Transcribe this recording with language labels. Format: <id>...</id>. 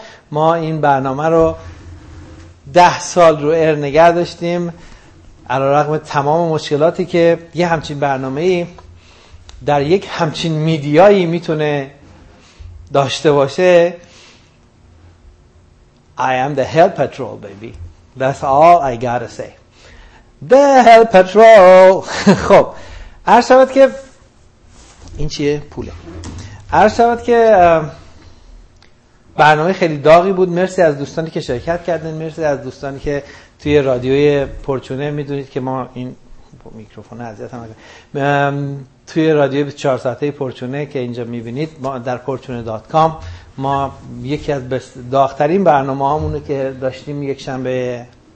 <fa>ما این برنامه رو 10 سال رو ایر نگه داشتیم علی‌رغم تمام مشکلاتی که یه همچین برنامه‌ای در یک همچین میدیایی میتونه داشته باشه.</fa> <en>I am the hell patrol baby, that's all I gotta say, the hell patrol.</en> <fa>خب عرض شد که این چیه؟ پوله. عرض شد که برنامه خیلی داغی بود. مرسی از دوستانی که شرکت کردن، مرسی از دوستانی که توی رادیوی پرچونه، میدونید که ما این میکروفون عذیت هم اگر توی رادیوی 4 ساعته پرچونه که اینجا میبینید ما در پرچونه.com، ما یکی از داغترین برنامه هامونه که داشتیم یک شنبه</fa>